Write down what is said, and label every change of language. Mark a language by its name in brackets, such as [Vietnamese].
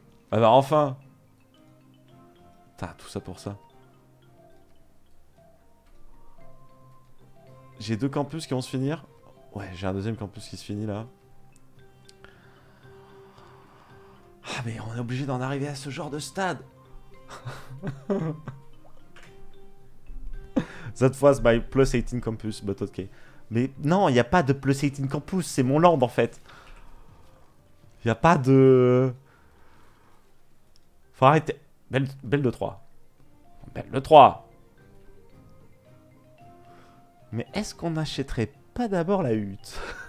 [French] Alors enfin. Putain, tout ça pour ça. J'ai deux campus qui vont se finir. Ouais, j'ai un deuxième campus qui se finit là. Ah mais on est obligé d'en arriver à ce genre de stade. [English] That was my plus 18 campus, but okay. [French] Mais non, il n'y a pas de plus 18 campus, c'est mon land en fait. Il n'y a pas de... Faut arrêter. Belle de 3. Belle de 3. Mais est-ce qu'on n'achèterait pas d'abord la hutte?